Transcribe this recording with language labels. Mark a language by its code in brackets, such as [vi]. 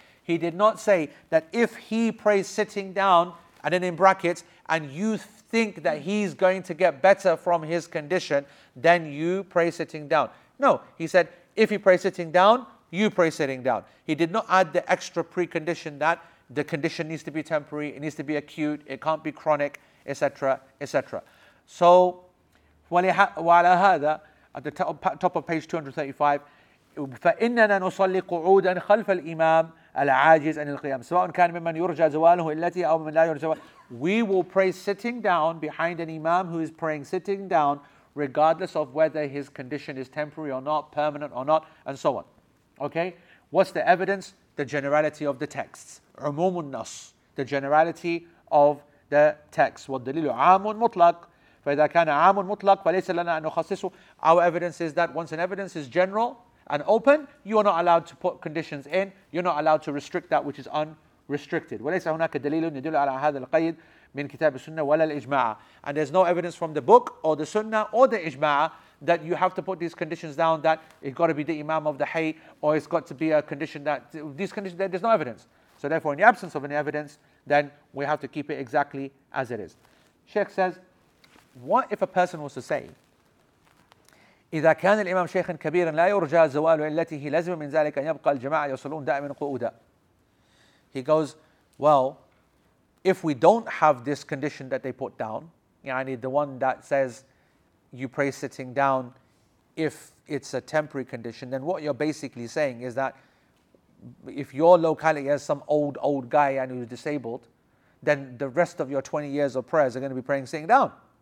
[en] He did not say that if he prays sitting down, and then in brackets, and you think that he's going to get better from his condition, then you pray sitting down. No, he said, if he prays sitting down, you pray sitting down. He did not add the extra precondition that the condition needs to be temporary, it needs to be acute, it can't be chronic, etc., etc. [ar] So, وَعَلَى هَذَا, [en] at the top of page 235, [ar] فَإِنَّنَا نُصَلِّ قُعُودًا خَلْفَ الْإِمَامِ العاجز عن القيام سواء كان ممن يرجى زواله التي أو من لا يرجى. [en] We will pray sitting down behind an imam who is praying sitting down, regardless of whether his condition is temporary or not, permanent or not, and so on. Okay, What's the evidence? The generality of the texts. [ar] عموم النص. [en] The generality of the text. [ar] والدليل عام مطلق. فإذا كان عام مطلق فليس لنا أن نخصصه. [en] Our evidence is that once an evidence is general and open, you are not allowed to put conditions in. You're not allowed to restrict that which is unrestricted. [ar] وليس هناك دليل يدل على هذا القيد من كتاب السنة ولا الإجماع. [en] And there's no evidence from the book or the Sunnah or the إجماع that you have to put these conditions down, that it's got to be the Imam of the Hay, or it's got to be a condition that these conditions, there's no evidence. So therefore, in the absence of any evidence, then we have to keep it exactly as it is. Sheikh says, what if a person was to say, [ar] إذا كان الإمام شيخا كبيرا لا يرجى زوال علته لازم من ذلك أن يبقى الجماعة يصلون دائما قعودا. [en] He goes, well, if we don't have this condition that they put down, يعني the one that says you pray sitting down, if it's a temporary condition, then what you're basically saying is that if your locality has some old guy and who's disabled, then the rest of your 20 years of prayers are going to be praying sitting down.